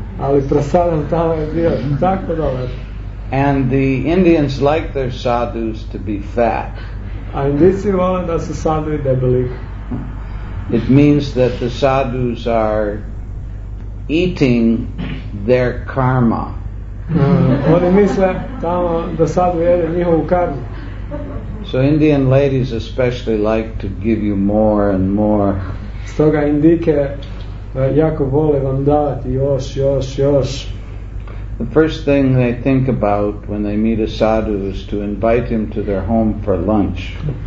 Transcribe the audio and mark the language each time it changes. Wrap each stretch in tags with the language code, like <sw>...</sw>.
<hr>Ali prasadam tamo je bio tako dobar.</hr> <en>And the Indians like their sadhus to be fat.</en> <hr>A Indici vole da su sadhu debeli.</hr> <en>It means that the sadhus are eating their karma.</en> <hr>Oni misle tamo da sadhu jede njihovu karmu.</hr> <en>So Indian ladies especially like to give you more and more.</en> <hr>Stoga Indike jako vole vam davati još, još, još.</hr> <en>The first thing they think about when they meet a sadhu is to invite him to their home for lunch.</en>